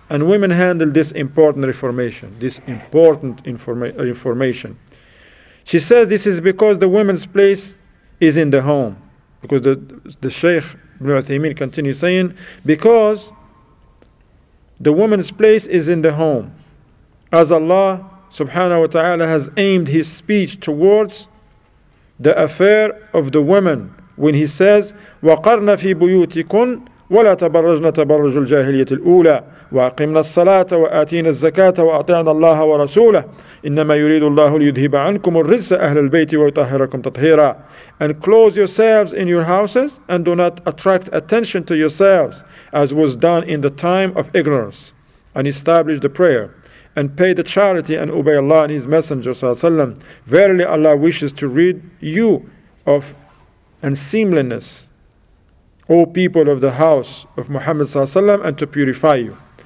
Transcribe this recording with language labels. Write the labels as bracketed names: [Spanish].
[English] And women handle this important reformation, this important information. She says this is because the women's place is in the home. Because the Shaykh Ibn Uthaymeen continues saying, because the woman's place is in the home. As Allah subhanahu wa ta'ala has aimed his speech towards the affair of the woman when he says, [Arabic] وَقَرْنَ فِي بُيُوتِكُنْ وَلَا تَبَرَّجْنَ تَبَرَّجُ الْجَاهِلِيَةِ الْأُولَى وَأَقِمْنَا الصَّلَاةَ وَآتِينَا الزَّكَاةَ وَأَطِعْنَا اللَّهَ وَرَسُولَهُ إِنَّمَا يُرِيدُ اللَّهُ لِيُذْهِبَ عَنْكُمُ الرِّجْسَ أَهْلَ الْبَيْتِ وَيُطَهِّرَكُمْ تَطْهِيرًا. [English] And close yourselves in your houses and do not attract attention to yourselves as was done in the time of ignorance. And establish the prayer and pay the charity and obey Allah and His Messenger sallallahu alaihi wasallam. Verily Allah wishes to rid you of unseemliness, O people of the house of Muhammad sallallahu alaihi wasallam, and to purify you.